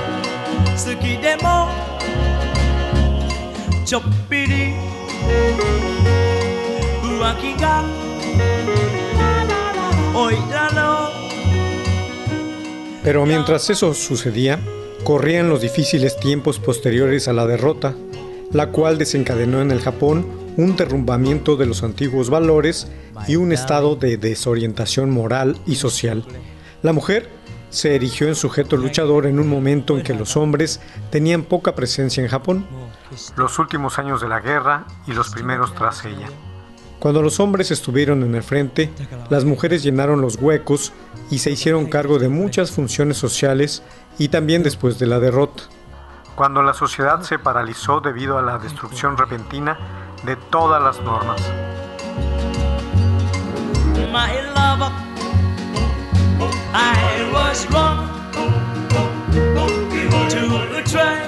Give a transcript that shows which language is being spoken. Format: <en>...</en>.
<ja>好きでもちょっぴり浮気がおいらの。</ja> <es>Pero mientras eso sucedía, corrían los difíciles tiempos posteriores a la derrota, la cual desencadenó en el Japón un derrumbamiento de los antiguos valores y un estado de desorientación moral y social. La mujer se erigió en sujeto luchador en un momento en que los hombres tenían poca presencia en Japón. Los últimos años de la guerra y los primeros tras ella. Cuando los hombres estuvieron en el frente, las mujeres llenaron los huecos y se hicieron cargo de muchas funciones sociales y también después de la derrota. Cuando la sociedad se paralizó debido a la destrucción repentina de todas las normas.</es> <en>My lover, I was wrong to try.</en>